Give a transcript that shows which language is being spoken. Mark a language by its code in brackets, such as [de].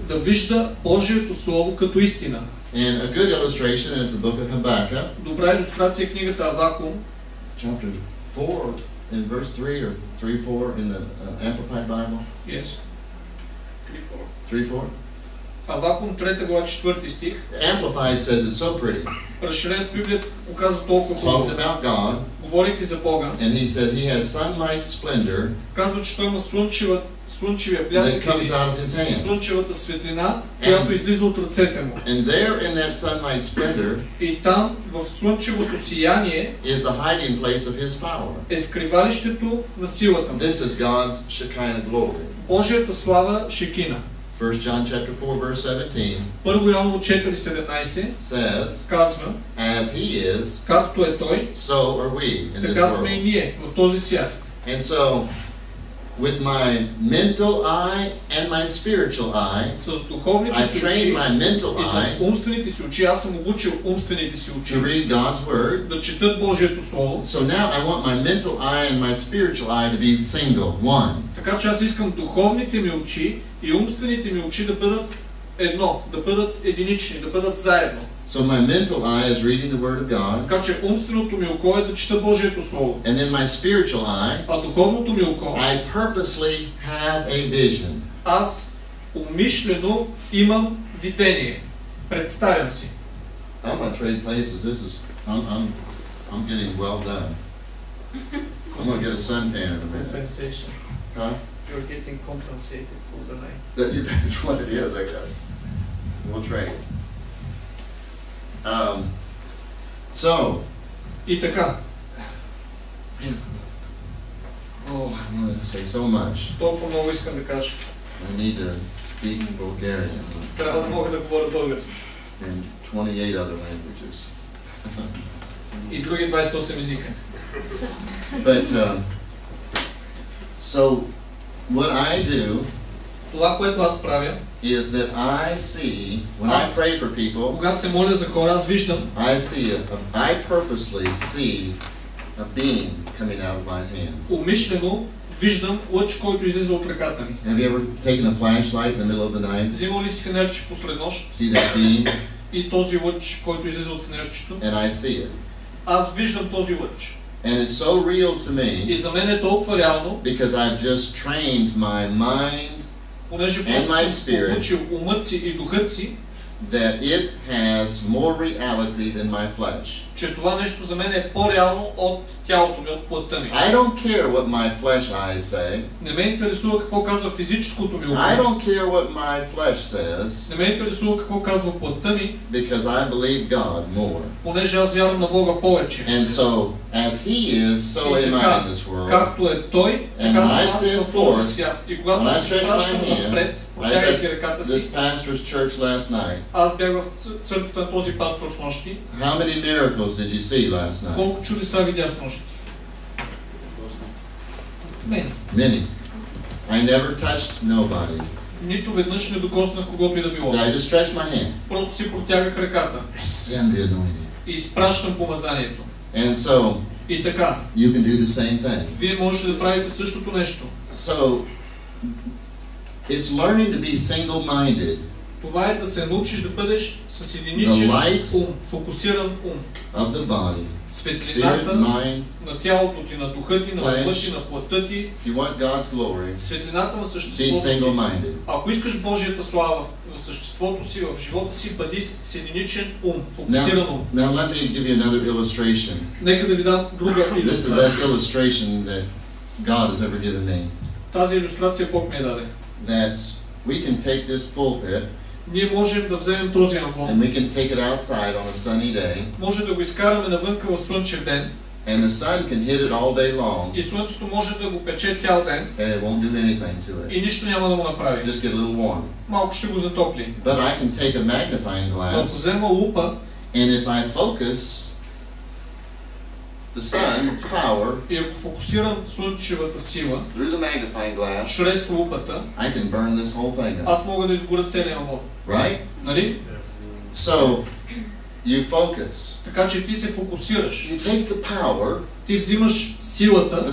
[bg] Да вижда Божието слово като истина. [en] And a good illustration is the book of Habakkuk. [bg] Добра илюстрация е книгата Авакум. [en] Chapter 4 in verse 3 or 3-4 in the Amplified Bible. Yes. 3-4. [bg] Авакум 3 глава 4 стих. [en] Amplified says it so pretty. [bg] Разширената Библия показва толкова хубаво. [en] Talking about God. [bg] Говорейки за Бога. [en] And he said he has sunlight splendor. [bg] Казва, че той има слънчевия блясък. [en] That comes out of his hands. [bg] Слънчевата светлина, която излиза от ръцете му. [en] And there in that sunlight splendor. [bg] И там в слънчевото сияние. [en] Is the hiding place of his power. [bg] Е скривалището на силата му. [en] This is God's Shekinah glory. [bg] Божията слава Шекина. [en] 1 John chapter 4 verse 17. [bg] Първо Йоан 4:17 [en] says, [bg] казва, [en] as he is, [bg] както е той, [en] so are we in [bg] така [en] this [bg] сме и ние в този свят. [en] And so with my mental eye and my spiritual eye, [bg] с духовните си очи, [en] I train my mental eye, [bg] и с умствените си очи, аз съм обучил умствените си очи, [en] to read God's word, [bg] да четат Божието слово. [en] So now I want my mental eye and my spiritual eye to be single, one. [bg] Така че аз искам духовните ми очи и умствените ми очи да бъдат едно, да бъдат единични, да бъдат заедно. [en] So my mental eye is reading the word of God. [bg] Така че умственото ми око е да чета Божието слово. [en] And then my spiritual eye. [bg] А духовното ми око. [en] I purposely have a vision. [bg] Аз умишлено имам видение. Представям си. [en] I'm gonna trade places. This is I'm getting well done. I'm gonna get a suntan in a minute. Compensation. Huh? You're getting compensated for the night. That's what it is, I got it. We'll trade. So [bg] и така. [en] Oh, I wanted to say so much. [bg] Толкова много искам да кажа. [en] I need to speak in Bulgarian. [bg] Трябва да мога да говоря български. [en] And 28 other languages. [bg] И други 28 езика. [en] But so what I do, [bg] това, което аз правя, [en] is that I see, when I pray for people, [bg] когато се моля за хора, аз виждам, [en] I see I purposely see a beam coming out of my hand. [bg] Умишлено виждам лъч, който излиза от ръката ми. [en] Have you ever taken a flashlight in the middle of the night? [bg] Взимал ли си фенерче посред нощ? [en] See that beam? [bg] И този лъч, който излиза от фенерчето? [en] And I see it. [bg] Аз виждам този лъч. [en] And it's so real to me. [bg] И за мен е толкова реално. [en] Because I've just trained my mind. [bg] Понеже получил умът си и духът си, [en] that it has more reality than my flesh. [bg] че това нещо за мен е по-реално от тялото ми, от плътта ми. [en] I don't care what my flesh eyes say. [bg] Не ме интересува какво казва физическото ми око. [en] I don't care what my flesh says. [bg] Не ме интересува какво казва плътта ми. [en] Because I believe God more. [bg] Понеже аз вярвам на Бога повече. [en] And so as he is, so am I in this world. [bg] Както е той, така съм аз в този свят. И когато се изпращам напред, протягайки ръката си. [en] This pastor's church last night. [bg] Аз бях в църквата на този пастор снощи. [en] How many miracles did you see last night? [bg] Колко чудеса видях снощи? [en] Many. I never touched nobody. [bg] Нито веднъж не докоснах когото и да било. [en] I just stretched my hand. [bg] Просто си протягах ръката. [en] I send the anointing. [bg] И изпращам помазанието. [en] And so, [bg] и така, [en] you can do the same thing. [bg] Вие можете да правите същото нещо. [en] So, it's learning to be single-minded. [bg] Това е да се научиш да бъдеш с единичен ум, фокусиран ум. [en] Of the body, [bg] светлината [en] spirit, mind, [bg] на тялото ти, на духа ти, [en] flesh, [bg] на духа ти, на плътта ти, [en] if you want God's glory, [bg] светлината на съществото ти. Ако искаш Божията слава в съществото си, в живота си, бъди с единичен ум, фокусиран ум. [en] Now let me give you another illustration. [bg] Нека да ви дам друга иллюстрация. [en] This is the best illustration that God has ever given me. [bg] Тази иллюстрация Бог ми е даде. [en] We can take this pulpit. [bg] Ние можем да вземем този амбон. [en] And we can take it outside on a sunny day. [bg] Може да го изкараме навънка в слънчев ден. [en] And the sun can hit it all day long. [bg] И слънцето може да го пече цял ден. [en] And it won't do anything to it. [bg] И нищо няма да му направи. [en] Just get a little warm. [bg] Малко ще го затопли. [en] But I can take a magnifying glass. [bg] Ако взема лупа. [en] And if I focus the sun, its power, [bg] и ако фокусирам слънчевата сила [en] through the magnifying glass, [bg] чрез лупата, [en] I can burn this whole thing up. [bg] Аз мога да изгоря целия вод. [en] Right? [bg] Нали? [en] So, you focus. [bg] Така че ти се фокусираш. [en] You take the power, [bg] ти взимаш силата,